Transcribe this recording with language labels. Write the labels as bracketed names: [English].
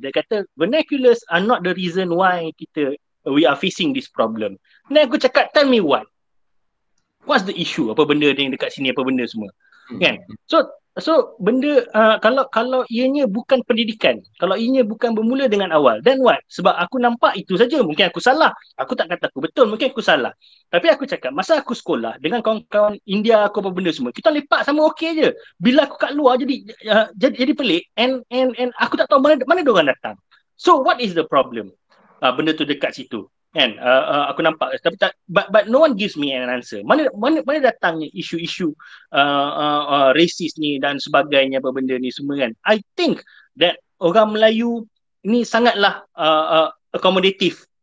[Malay] Dia kata, [English] vernaculars are not the reason why we are facing this problem. [Malay] Then aku cakap, [English] tell me what. What's the issue? [Malay] Apa benda yang dekat sini, apa benda semua. Kan? So benda, kalau ianya bukan pendidikan, kalau ianya bukan bermula dengan awal, then what? Sebab aku nampak itu saja. Mungkin aku salah. Aku tak kata aku betul, mungkin aku salah. Tapi aku cakap, masa aku sekolah, dengan kawan-kawan India aku apa benda semua, kita lepak sama okey je. Bila aku kat luar jadi pelik, and aku tak tahu mana diorang datang. [English] So what is the problem? [Malay] Benda tu dekat situ. Kan, aku nampak, tapi tak, [English] but no one gives me an answer. [Malay] Mana datangnya isu-isu racist ni dan sebagainya, apa benda ni semua kan. [English] I think that [Malay] orang Melayu ni sangatlah [English] accommodative